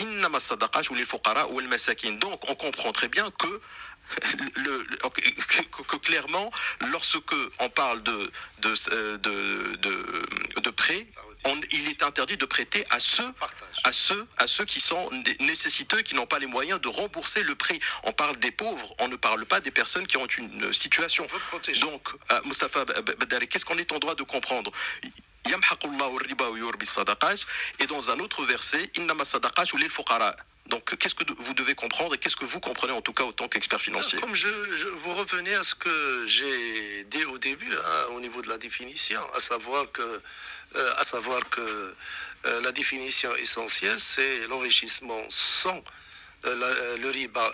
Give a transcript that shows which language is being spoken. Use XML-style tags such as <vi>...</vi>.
<ar>Inna ma sadaqat</ar> <fr>ou les fuqara ou les masakin. Donc, on comprend très bien que clairement, lorsque on parle de prêt, il est interdit de prêter à ceux qui sont nécessiteux, qui n'ont pas les moyens de rembourser le prêt. On parle des pauvres, on ne parle pas des personnes qui ont une situation. Donc, Mustapha Badari, qu'est-ce qu'on est en droit de comprendre ?</fr> <ar>يمحق الله الربا ويربي الصدقات</ar> <fr>et dans un autre verset</fr> <ar>إنما الصدقات للفقراء.</ar> <fr>Donc, qu'est-ce que vous devez comprendre et qu'est-ce que vous comprenez en tout cas en tant qu'expert financier ? Comme vous revenez à ce que j'ai dit au début, hein, au niveau de la définition, à savoir que la définition essentielle, c'est l'enrichissement sans le riba.</fr>